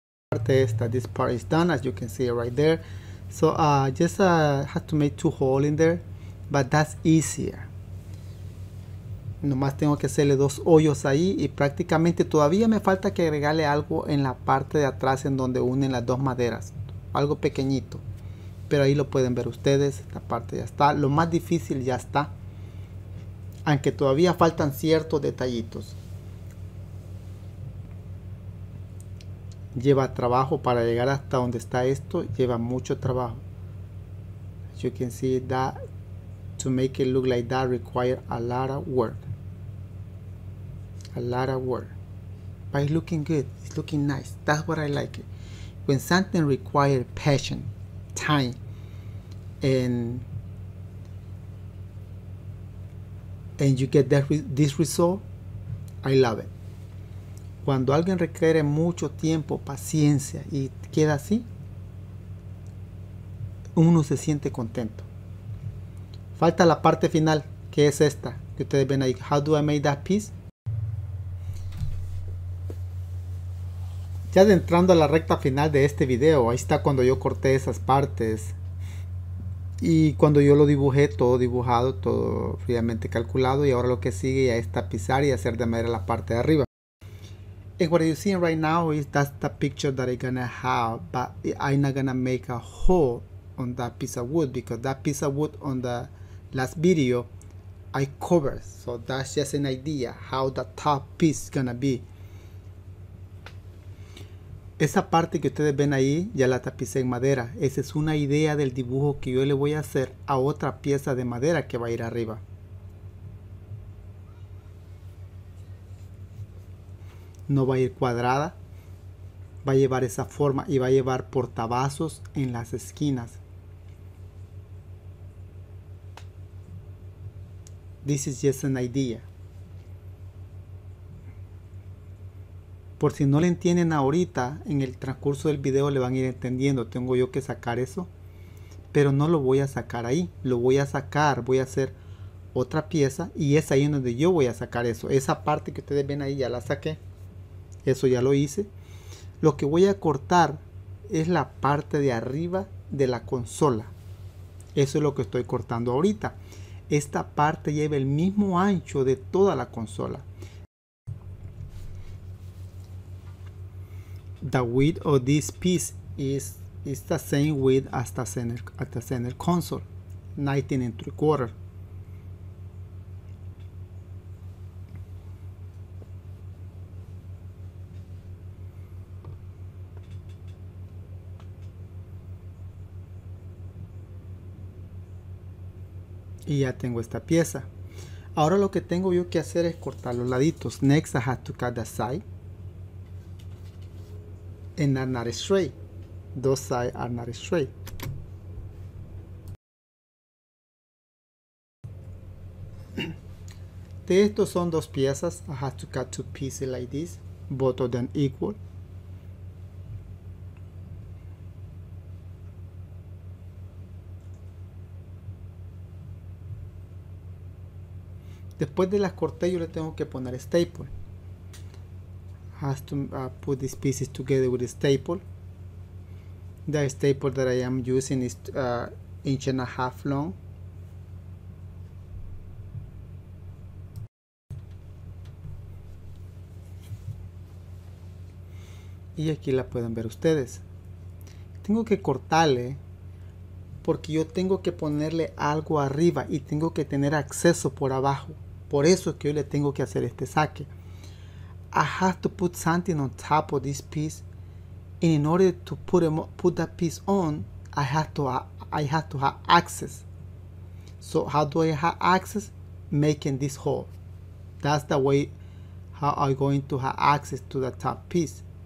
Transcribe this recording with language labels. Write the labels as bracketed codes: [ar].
[es] Parte esta, [en] this part is done, as you can see right there. So have to make two holes in there, but that's easier. [es] Nomás tengo que hacerle dos hoyos ahí y prácticamente todavía me falta que agregarle algo en la parte de atrás en donde unen las dos maderas. Algo pequeñito. Pero ahí lo pueden ver ustedes, esta parte ya está. Lo más difícil ya está. Aunque todavía faltan ciertos detallitos. Lleva trabajo para llegar hasta donde está esto. Lleva mucho trabajo. [en] As you can see that, to make it look like that require a lot of work. A lot of work. But it's looking good. It's looking nice. That's what I like. When something requires passion, time, and you get this result, I love it. [es] Cuando alguien requiere mucho tiempo, paciencia y queda así, uno se siente contento. Falta la parte final, que es esta, que ustedes ven ahí. [en] How do I make that piece? [es] Ya adentrando a la recta final de este video, ahí está cuando yo corté esas partes. Y cuando yo lo dibujé, todo dibujado, todo fríamente calculado. Y ahora lo que sigue ya es tapizar y hacer de madera la parte de arriba. [en] And what you're seeing right now is that's the picture that I'm gonna have, but I'm not gonna make a hole on that piece of wood because that piece of wood on the last video I covered. So that's just an idea how the top piece is gonna be. [es] Esa parte que ustedes ven ahí ya la tapicé en madera. Esa es una idea del dibujo que yo le voy a hacer a otra pieza de madera que va a ir arriba. No va a ir cuadrada, va a llevar esa forma y va a llevar portavasos en las esquinas. [en] This is just an idea. [es] Por si no le entienden ahorita, en el transcurso del video le van a ir entendiendo. Tengo yo que sacar eso, pero no lo voy a sacar ahí. Lo voy a sacar, voy a hacer otra pieza y es ahí donde yo voy a sacar eso. Esa parte que ustedes ven ahí ya la saqué. Eso ya lo hice. Lo que voy a cortar es la parte de arriba de la consola. Eso es lo que estoy cortando ahorita. Esta parte lleva el mismo ancho de toda la consola. [en] The width of this piece is the same width as the center console, 19 3/4. [es] Y ya tengo esta pieza. Ahora lo que tengo yo que hacer es cortar los laditos. [en] Next, I have to cut the side. And not straight. Those sides are not straight. [es] De estos son dos piezas. [en] I have to cut two pieces like this. Both of them equal. [es] Después de las corté, yo le tengo que poner staple. [en] Has to put these pieces together with a staple. The staple that I am using is 1.5 inches long. [es] Y aquí la pueden ver ustedes. Tengo que cortarle porque yo tengo que ponerle algo arriba y tengo que tener acceso por abajo. Por eso es que yo le tengo que hacer este saque. [en] I have to put something on top of this piece. And in order to put that piece on, I have to have access. So how do I have access? Making this hole. That's the way how I'm going to have access to the top piece.